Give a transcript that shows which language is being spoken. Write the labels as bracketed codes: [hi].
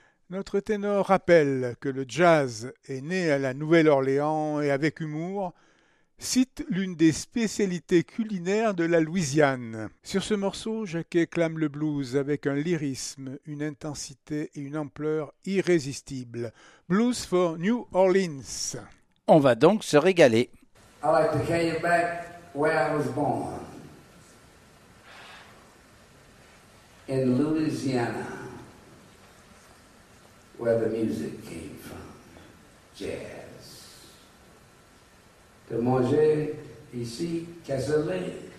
[fr] Notre ténor rappelle que le jazz est né à la Nouvelle-Orléans et avec humour, cite l'une des spécialités culinaires de la Louisiane. Sur ce morceau, Jacquet clame le blues avec un lyrisme, une intensité et une ampleur irrésistibles. Blues for New Orleans. On va donc se régaler. [en] I like to carry you back where I was born. In Louisiana, where the music came from, jazz. [fr] De manger ici, cassoulet.